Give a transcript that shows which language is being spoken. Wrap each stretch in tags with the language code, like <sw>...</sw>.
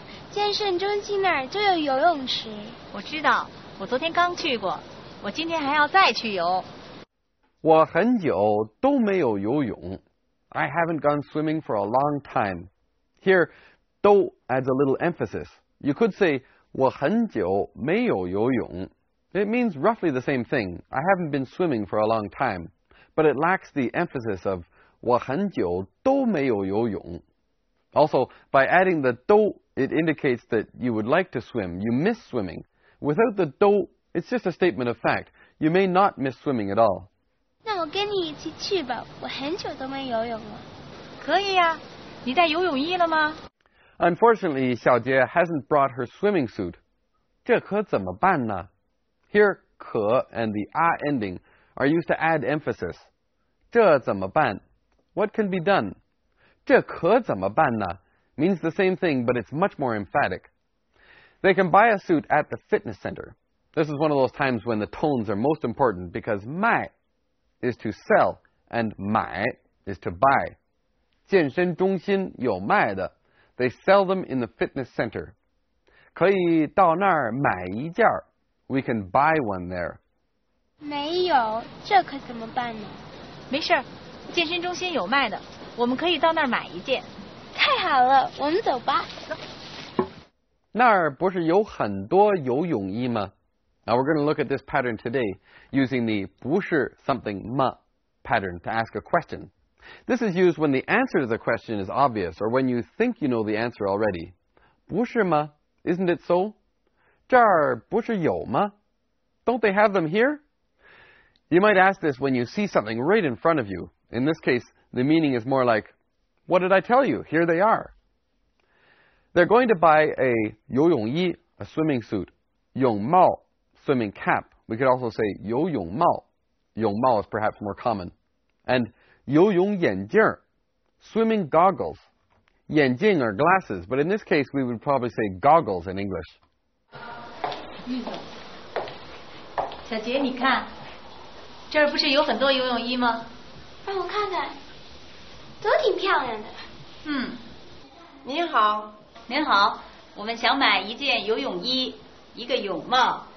<zh>健身中心那儿就有游泳池。我知道，我昨天刚去过，我今天还要再去游。我很久都没有游泳。</zh> <en>I haven't gone swimming for a long time. Here, 都 adds a little emphasis. You could say,</en> <zh>我很久没有游泳。</zh> <en>It means roughly the same thing. I haven't been swimming for a long time. But it lacks the emphasis of,</en> <zh>我很久都没有游泳。</zh> <en>Also, by adding the 都, it indicates that you would like to swim, you miss swimming. Without the 都, it's just a statement of fact. You may not miss swimming at all.</en> <zh>那我跟你一起去吧，我很久都没游泳了。可以啊，你带游泳衣了吗？</zh> <en>Unfortunately, 小杰 hasn't brought her swimming suit.</en> <zh>这可怎么办呢？</zh> <en>Here, 可 and the 啊 ending are used to add emphasis.</en> <zh>这怎么办？</zh> <en>What can be done?</en> <zh>这可怎么办呢?</zh> <en>Means the same thing, but it's much more emphatic. They can buy a suit at the fitness center. This is one of those times when the tones are most important, because 卖 is to sell, and 买 is to buy.</en> <zh>健身中心有卖的。</zh> <en>They sell them in the fitness center.</en> <zh>可以到那儿买一件。</zh> <en>We can buy one there.</en> <zh>没有,这可怎么办呢? 没事,健身中心有卖的。我们可以到那儿买一件。太好了，我们走吧。那儿不是有很多游泳衣吗？</zh> <en>Now we're going to look at this pattern today using the 不是 something 吗 pattern to ask a question. This is used when the answer to the question is obvious or when you think you know the answer already.</en> <zh>不是吗?</zh> <en>Isn't it so?</en> <zh>这儿不是有吗?</zh> <en>Don't they have them here? You might ask this when you see something right in front of you. In this case,The meaning is more like, what did I tell you? Here they are. They're going to buy a 游泳衣, a swimming suit, 泳帽, swimming cap. We could also say 游泳帽, 泳帽is perhaps more common. And 游泳眼镜, swimming goggles. 眼镜 are glasses, but in this case, we would probably say goggles in English.</en> <zh>小杰你看,这儿不是有很多游泳衣吗? 让我看看。都挺漂亮的。嗯。您好。您好，我们想买一件游泳衣，一个泳帽，</zh>